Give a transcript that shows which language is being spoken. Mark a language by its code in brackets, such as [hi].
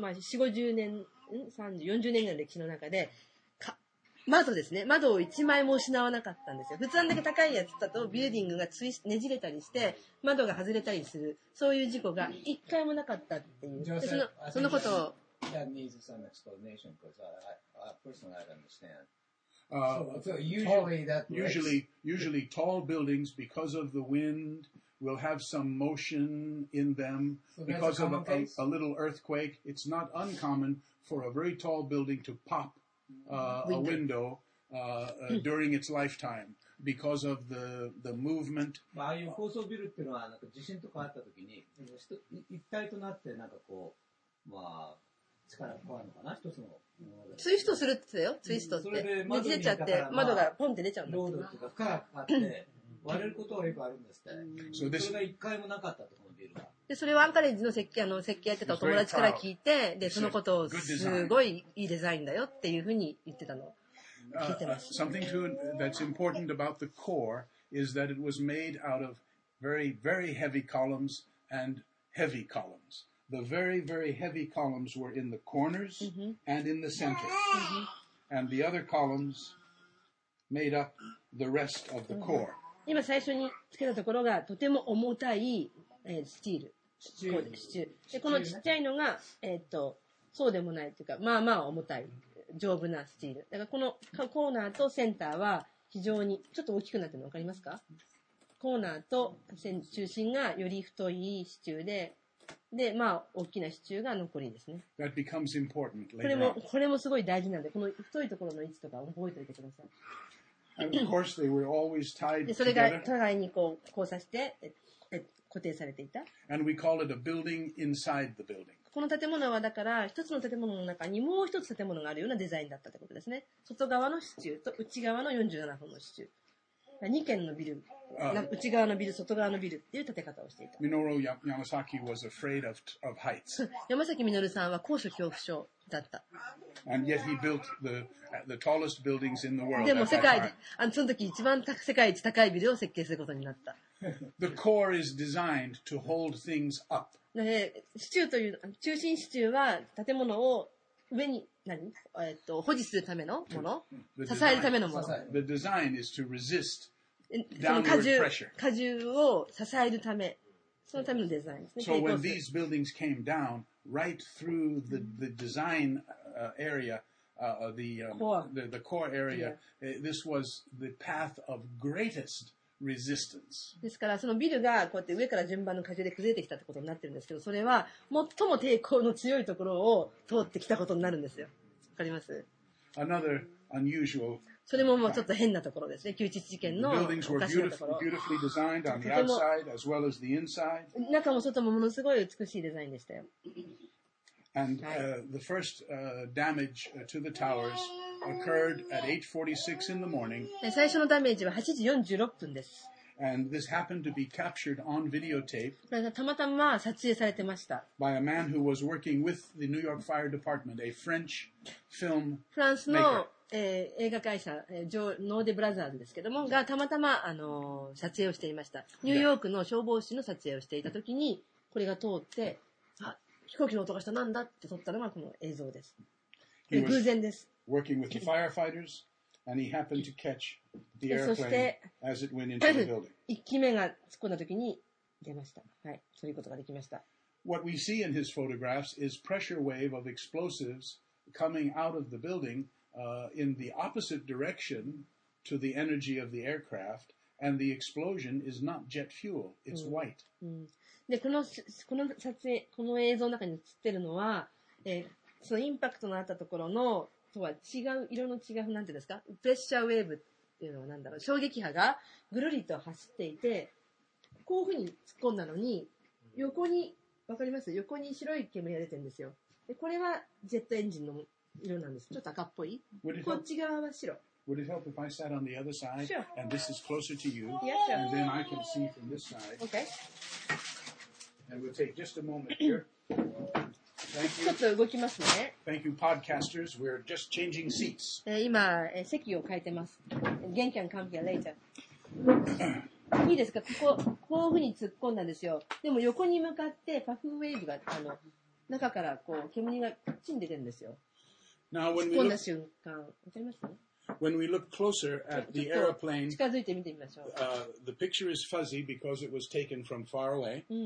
[ja] まあ、40年ぐらいの歴史の中で、窓ですね、窓を一枚も失わなかったんですよ。普通あんだけ高いやつだと、ビルディングがねじれたりして、窓が外れたりする、そういう事故が一回もなかったっていう。そのことを。 [en] That needs some explanation because I personally I don't understand. Usually tall buildings because of the wind will have some motion in them because of a little earthquake. It's not uncommon for a very tall building to pop a window during its lifetime because of the movement. [ja] ああいう高層ビルっていうのはなんか地震とかあった時に一体となってなんかこうまあ力が変わるのかな、一つのツイストするって言ったよ、ツイストって。ねじれちゃって、窓がポンって出ちゃうんだけど。ロードとか負荷がかかって、割れることはよくあるんですって。それが一回もなかったと思うビルは。で、それをアンカレッジの設計やってたお友達から聞いて、で、そのことをすごいいいデザインだよっていうふうに言ってたの。聞いてます。 [en] Something too that's important about the core is that it was made out of very, very heavy columns and heavy columns. The very, very heavy columns were in the corners and in the center. And the other columns made up the rest of the core. [ja] 今最初につけたところがとても重たい、スチール。支柱。で、このちっちゃいのが、そうでもないというか、まあまあ重たい、丈夫なスチール。だからこのコーナーとセンターは非常に、ちょっと大きくなってるの分かりますか？コーナーと中心がより太い支柱で、で、まあ、大きな支柱が残りですね。 [en] That becomes important later. [ja] これもすごい大事なんで、この太いところの位置とか覚えておいてください。 [en] And of course they were always tied together. [ja] で、それが互いにこう交差して固定されていた。 [en] And we call it a building inside the building. [ja] この建物はだから、一つの建物の中にもう一つ建物があるようなデザインだったということですね。外側の支柱と内側の47本の支柱。2軒のビル、内側のビル、外側のビルっていう建て方をしていた。 [en] Minoru Yamasaki was afraid of heights. [ja] 山崎みのるさんは高所恐怖症だった。 [en] And yet he built the tallest buildings in the world. [ja] でも世界で、その時一番世界一高いビルを設計することになった。 [en] The core is designed to hold things up. [ja] 中心支柱は建物を上に保持するためのもの、支えるためのもの。 [en] The design is to resist downward pressure. [ja] 荷重を支えるため、そのためのデザインですね。 [en] So when these buildings came down, right through the, the design area, the core area, this was the path of greatest resistance. [ja] ですからそのビルがこうやって上から順番の荷重で崩れてきたってことになってるんですけど、それは最も抵抗の強いところを通ってきたことになるんですよ。わかります？ [en] Another unusual. [ja] それももうちょっと変なところですね。911事件のおかしいところ。中も外もものすごい美しいデザインでしたよ。 [en] And, the first, damage to the towers occurred at 8:46 in the morning. [ja] 最初のダメージは8時46分です。 [en] And this happened to be captured on videotape. [ja] これがたまたま撮影されてました。 [en] By a man who was working with the New York Fire Department, a French film maker. [ja] フランスの映画会社ノーデブラザーズですけどもがたまたま撮影をしていました。ニューヨークの消防士の撮影をしていた時にこれが通って、あ、飛行機の音がした、なんだって撮ったのがこの映像です。偶然です。 [en] Working with the firefighters and he happened to catch the airplane as it went into the building. [ja] 1機目が突っ込んだ時に出ました。はい、そういうことができました。 [en] What we see in his photographs is pressure wave of explosives coming out of the buildingin the opposite direction to the energy of the aircraft, and the explosion is not jet fuel, it's white. [ja] で、この撮影、この映像の中に映ってるのは、そのインパクトのあったところのとは違う、色の違う、なんて言うんですか、プレッシャーウェーブっていうのは何だろう、衝撃波がぐるりと走っていて、こういうふうに突っ込んだのに、横に、わかります？横に白い煙が出てるんですよ。で、これはジェットエンジンの色なんです。ちょっと赤っぽい。こっち側は白。 [en] Would it help if I sat on the other side? Sure. And this is closer to you. Yeah, sure. And then I can see from this side. Okay. And we'll take just a moment here. Thank you. [ja] ちょっと動きますね。 [en] Thank you, podcasters. We're just changing seats. [ja] 今、席を変えてます。 [en] Again, can come here later. [ja] いいですか？ここ、こういうふうに突っ込んだんですよ。でも横に向かってパフウェーブが、中からこう煙がこっちに出てるんですよ。 [en] Now, when we look, closer at the airplane, the picture is fuzzy because it was taken from far away.